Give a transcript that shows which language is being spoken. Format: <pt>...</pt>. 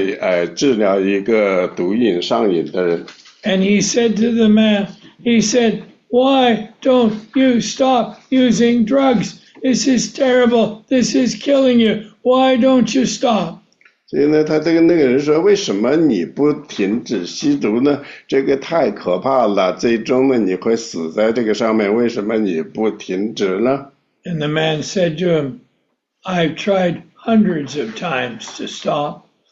<zh>在那几年前，在那个急救的那个病房里，在治疗一个毒瘾上瘾的人。</zh> <en>And he said to the man, he said, "Why don't you stop using drugs? This is terrible. This is killing you. Why don't you stop?"</en> <zh>所以呢，他这个那个人说：“为什么你不停止吸毒呢？这个太可怕了，最终呢你会死在这个上面。为什么你不停止呢？”</zh> <en>And the man said to him, "I've tried hundreds of times to stop.</en>